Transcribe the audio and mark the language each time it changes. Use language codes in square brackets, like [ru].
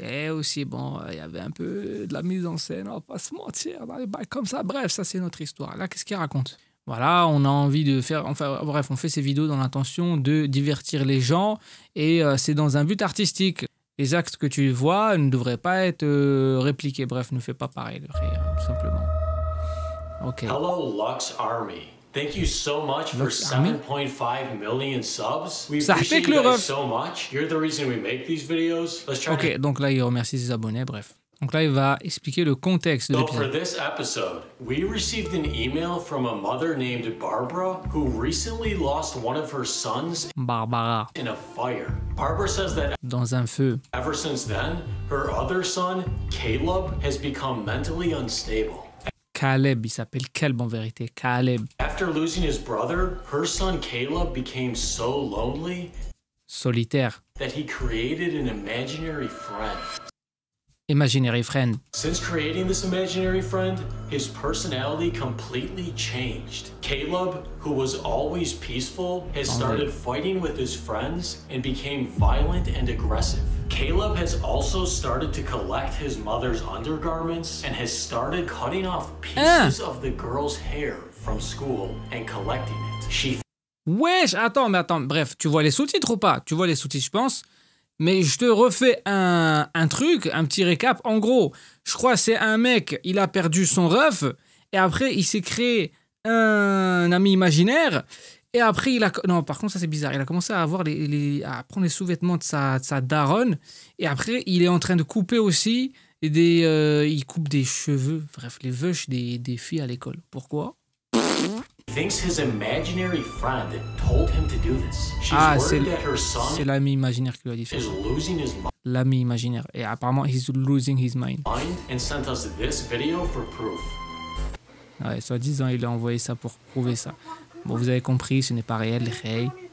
[fr] Et aussi, il y avait un peu de la mise en scène, on va pas se mentir, dans les bails comme ça. Bref, ça, c'est notre histoire. Là, qu'est-ce qu'il raconte? Voilà, on a envie de faire... Enfin, bref, on fait ces vidéos dans l'intention de divertir les gens et c'est dans un but artistique. Les actes que tu vois ne devraient pas être répliqués. Bref, ne fais pas pareil, rien, tout simplement. Ok. [en] Hello, Lux Army. Thank you so much for 7.5 million subs. We appreciate you guys so much. You're the reason we make these videos. Let's try. [fr] Okay, donc là il remercie ses abonnés, bref. Donc là il va expliquer le contexte de l'épisode. [en] So for this episode, we received an email from a mother named Barbara who recently lost one of her sons. Barbara. In a fire. Barbara says that [fr] dans un feu. [en] Ever since then, her other son, Caleb, has become mentally unstable. [fr] Caleb, il s'appelle Caleb en vérité, Caleb. [en] After losing his brother, her son Caleb became so lonely. [fr] Solitaire. [en] That he created an imaginary friend. Imaginary friend. Since creating this imaginary friend, his personality completely changed. Caleb, who was always peaceful, has started fighting with his friends and became violent and aggressive. Caleb has also started to collect his mother's undergarments and has started cutting off pieces of the girl's hair from school and collecting it. [fr] Wesh, attends, bref, tu vois les sous-titres ou pas? Tu vois les sous-titres, je pense. Mais je te refais un truc, un petit récap. En gros, je crois que c'est un mec, il a perdu son ref, et après, il s'est créé un ami imaginaire. Et après, il a... Non, par contre, ça, c'est bizarre. Il a commencé à avoir à prendre les sous-vêtements de sa daronne. Et après, il est en train de couper aussi des... il coupe des cheveux. Bref, les veuches des filles à l'école. Pourquoi? [en] He thinks his imaginary friend told him to do this. She's worried that her son [fr] c'est l'ami imaginaire qui lui a dit ça. [en] Is losing his mind. [fr] L'ami imaginaire. Et apparemment, [en] he's losing his mind. And sent us this video for proof. [fr] Ouais, soi-disant, il a envoyé ça pour prouver ça. Bon, vous avez compris, ce n'est pas réel, les Rey.